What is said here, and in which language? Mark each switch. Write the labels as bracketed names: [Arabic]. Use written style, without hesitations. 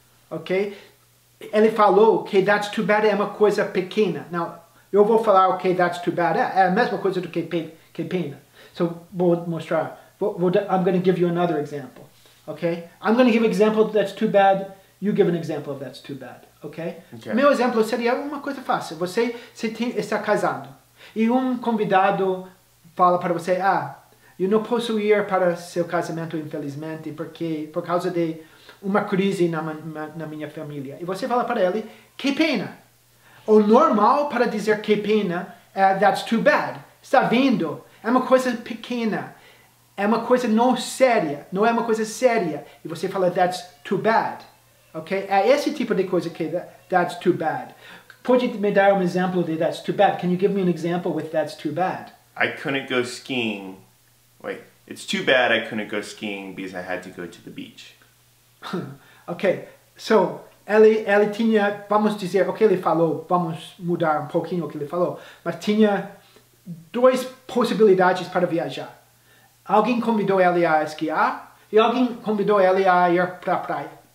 [Portuguese] Okay? Ele falou que [English] that's too bad [Portuguese] é uma coisa pequena. Now, eu vou falar que okay, [English] that's too bad [Portuguese] é a mesma coisa do que pena. [English] So, [Portuguese] vou mostrar. [English] I'm going to give you another example. Okay? I'm going to give an example that's too bad. You give an example of that's too bad. Okay? Okay. [Portuguese] Meu exemplo seria uma coisa fácil. Você está casando. E convidado fala para você, eu não posso ir para seu casamento, infelizmente, porque por causa de uma crise na minha família. E você fala para ele, que pena. O normal para dizer que pena é [English] that's too bad. [Portuguese] Está vindo. É uma coisa pequena. É uma coisa não séria. Não é uma coisa séria. E você fala [English] that's too bad. [Portuguese] Ok? É esse tipo de coisa que [English] that's too bad. [Portuguese] Pode me dar exemplo de that's too bad? [English] Can you give me an example with that's too bad? I couldn't go skiing. Wait. It's too bad I couldn't go skiing because I had to go to the beach. [Portuguese] Okay, so, ele tinha, vamos dizer, o que ele falou, vamos mudar pouquinho o que ele falou, mas tinha 2 possibilidades para viajar. Alguém convidou ele a esquiar, e alguém convidou ele a ir para a praia.